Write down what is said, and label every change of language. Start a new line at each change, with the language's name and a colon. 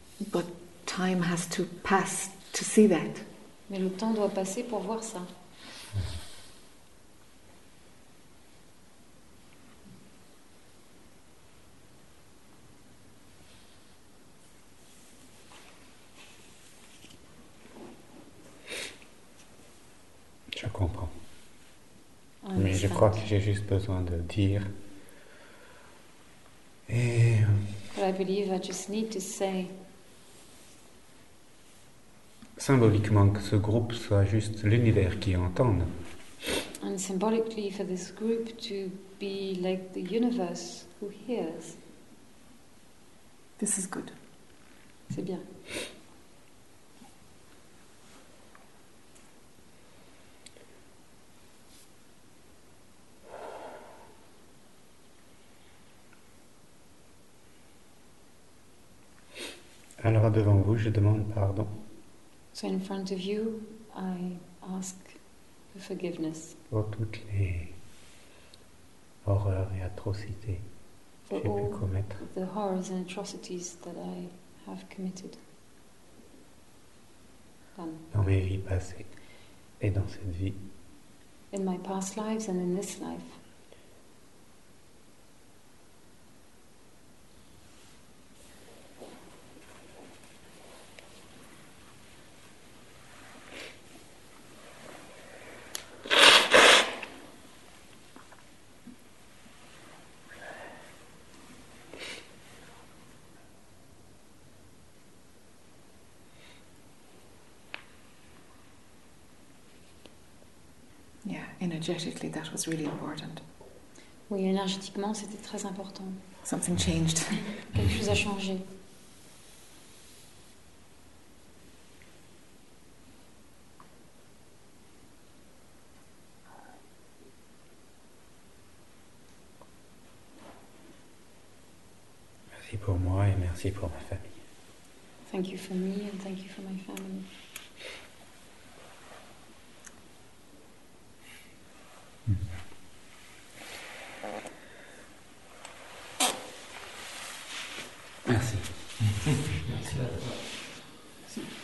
English: But time has to pass to see that.
French: Mais le temps doit passer pour voir ça. Mais je crois que j'ai juste besoin de dire. Et.
English: But I believe I just need to say.
French: Symboliquement, que ce groupe soit juste l'univers qui entende.
English: And symbolically, for this group to be like the universe who hears. This is good.
French: C'est bien. Alors devant vous, je demande pardon.
English: So in front of you, I ask for forgiveness.
French: Pour toutes les horreurs et atrocités que j'ai pu commettre.
English: For all the horrors and atrocities that I have committed. Done.
French: Dans mes vies passées et dans cette vie.
English: In my past lives and in this life. Energetically, that was really important.
French: Oui, énergétiquement, c'était très important.
English: Something changed.
French: Quelque chose a changé. Merci pour moi et merci pour ma famille.
English: Thank you for me and thank you for my family.
French: Merci. Merci à toi.